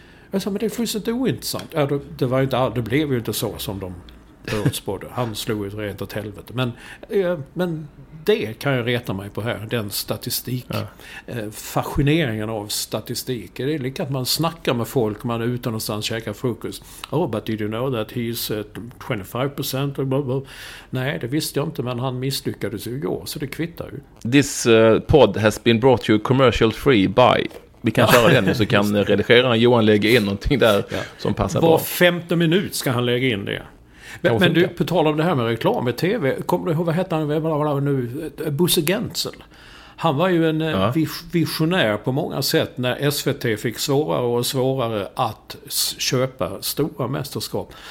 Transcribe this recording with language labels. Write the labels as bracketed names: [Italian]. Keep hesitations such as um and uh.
[Swedish] Jag sa, men det är fullständigt ointressant. Ja, det, det, var ju inte, all- det blev ju inte så som de förutspådde. Han slog ju rent åt helvete. Men, eh, men det kan jag reta mig på här. Den statistik. Eh, fascineringen av statistik. Det är lika att man snackar med folk man är ute någonstans och käkar frukost. [English] Oh, but did you know that he's eh, 25% och blah, blah. [Swedish] Nej, det visste jag inte. Men han misslyckades ju igår. Så det kvittar ju. [English] This eh, pod has been brought to you commercial free by. [Swedish] Vi kan köra den nu så kan eh, redigeraren Johan lägga in någonting där som passar Var bra. femte minut ska han lägga in det. Men, Kanske men du, inte. på tal om det här med reklam i TV. Kommer du ihåg, vad hette han vad var det nu? Bosse Gentzel. Han var ju en eh, Ja. vis- visionär på många sätt när SVT fick svårare och svårare att s- köpa stora mästerskap.